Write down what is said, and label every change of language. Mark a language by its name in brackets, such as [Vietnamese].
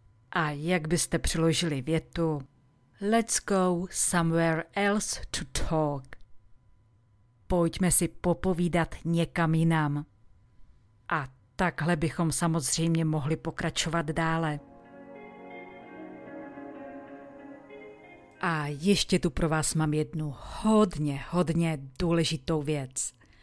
[Czech] A jak byste přiložili větu? [English] Let's go somewhere else to talk. [Czech] Pojďme si popovídat někam jinam. A takhle bychom samozřejmě mohli pokračovat dále. A ještě tu pro vás mám jednu hodně, hodně důležitou věc.